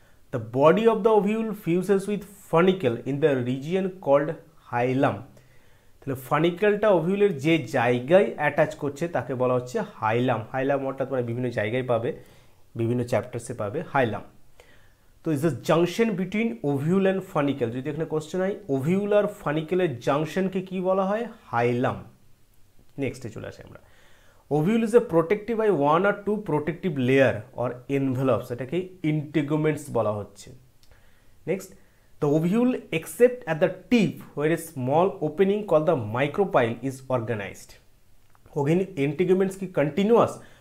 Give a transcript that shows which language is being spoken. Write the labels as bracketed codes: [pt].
[en] The body of the ovule fuses with funicle in the region called hilum. [bn] তাহলে ফানিকেলটা ওভিউলের যে জায়গায় attach করছে তাকে বলা হচ্ছে হাইলাম হাইলাম অর্থাৎ মানে বিভিন্ন জায়গায় পাবে বিভিন্ন চ্যাপ্টারসে পাবে হাইলাম তো [en] is a junction between ovule and funicle [bn] যদি এখানে কোশ্চেন হয় ওভিউল আর ফানিকেলের জাংশনকে কি বলা হয় হাইলাম নেক্সটে চলে আসি আমরা [en] ovule is a protective by one আর two protective layer or envelopes [bn] এটাকে ইন্টিগুমেন্টস বলা হচ্ছে [en] Next The ovule except at the tip where a small opening called the micropyle is organized. Again, integuments ki continuous.